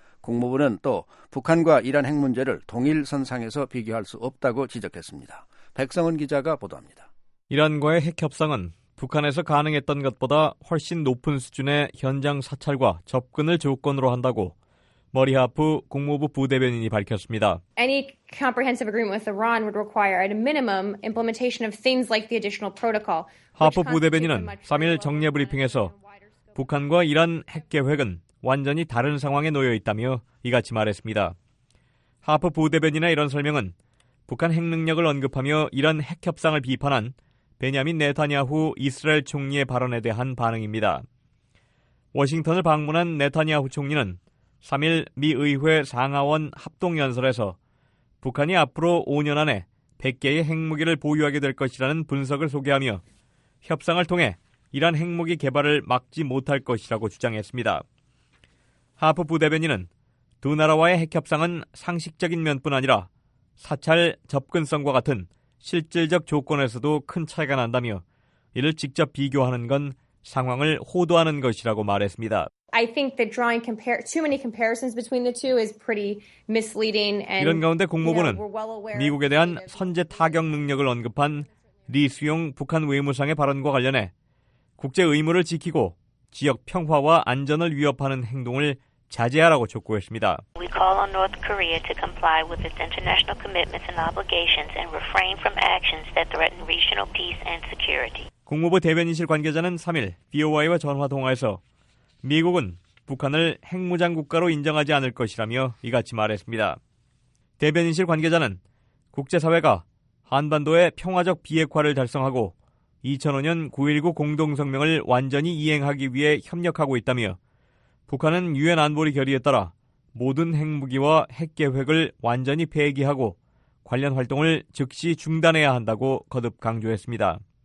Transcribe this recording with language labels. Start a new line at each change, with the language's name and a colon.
Korean: 국무부는 또 북한과 이란 핵 문제를 동일 선상에서 비교할 수 없다고 지적했습니다. 백성은 기자가 보도합니다. 이란과의 핵 협상은 북한에서 가능했던 것보다 훨씬 높은 수준의 현장 사찰과 접근을 조건으로 한다고 머리 하프 국무부 부대변인이 밝혔습니다.
English: Any comprehensive agreement with Iran would require at a minimum implementation of things like the additional protocol.
Korean: 하프 부대변인은 3일 정례 브리핑에서 북한과 이란 핵 계획은 완전히 다른 상황에 놓여 있다며 이같이 말했습니다. 하프 부대변인의 이런 설명은 북한 핵 능력을 언급하며 이란 핵 협상을 비판한 베냐민 네타냐후 이스라엘 총리의 발언에 대한 반응입니다. 워싱턴을 방문한 네타냐후 총리는 3일 미 의회 상하원 합동연설에서 북한이 앞으로 5년 안에 100개의 핵무기를 보유하게 될 것이라는 분석을 소개하며 협상을 통해 이란 핵무기 개발을 막지 못할 것이라고 주장했습니다. 하프 부대변인은 두 나라와의 핵협상은 상식적인 면뿐 아니라 사찰 접근성과 같은 실질적 조건에서도 큰 차이가 난다며 이를 직접 비교하는 건 상황을 호도하는 것이라고 말했습니다.
English: I think that drawing too many comparisons between the two is pretty misleading.
Korean: 이런 가운데 국무부는 미국에 대한 선제 타격 능력을 언급한 리 수용 북한 외무상의 발언과 관련해 국제 의무를 지키고 지역 평화와 안전을 위협하는 행동을 자제하라고 촉구했습니다.
English: We call on North Korea to comply with its international commitments and obligations and refrain from actions that threaten regional peace and security.
Korean: 국무부 대변인실 관계자는 3일 BOI와 전화 통화에서 미국은 북한을 핵무장 국가로 인정하지 않을 것이라며 이같이 말했습니다. 대변인실 관계자는 국제사회가 한반도의 평화적 비핵화를 달성하고 2005년 9.19 공동성명을 완전히 이행하기 위해 협력하고 있다며 북한은 유엔 안보리 결의에 따라 모든 핵무기와 핵계획을 완전히 폐기하고 관련 활동을 즉시 중단해야 한다고 거듭 강조했습니다.